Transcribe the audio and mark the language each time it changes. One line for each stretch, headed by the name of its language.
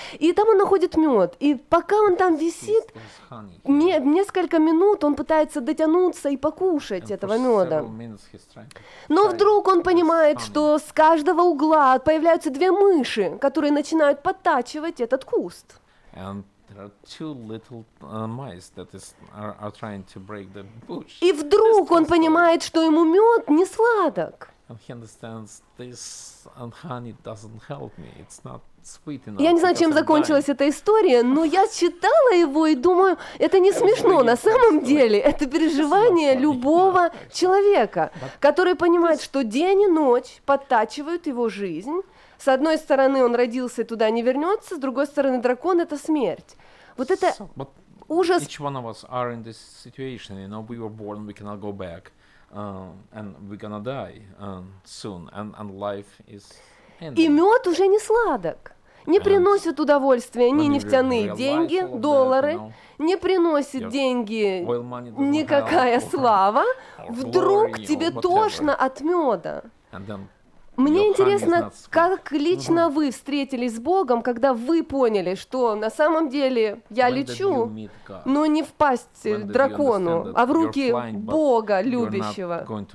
Russian: И там он находит мед. И пока он там висит, несколько минут он пытается дотянуться и покушать этого меда. Но вдруг он понимает, что с каждого угла появляются две мыши, которые начинают подтачивать этот куст.
English: There are two little mice that are trying to break the bush.
Russian: И вдруг он понимает, что ему мед не сладок.
English: And he understands this and honey doesn't help me. It's not sweet enough.
Russian: Я не знаю, чем закончилась эта история, но я читала его и думаю, это не смешно на самом деле. Это переживание любого человека, который понимает, что день и ночь подтачивают его жизнь. С одной стороны, он родился и туда не вернется, с другой стороны, дракон — это смерть. Вот это ужас.
English: Each one of us are in this situation. You know, we were born, we cannot go back, and we're gonna die soon, and life is ending.
Russian: И мед уже не сладок, не приносит удовольствия, ни нефтяные деньги, доллары, не приносит деньги никакая слава. Вдруг тебе тошно от меда. Мне интересно, как лично вы встретились с Богом, когда вы поняли, что на самом деле я лечу, но не в пасть дракону, а в руки Бога любящего.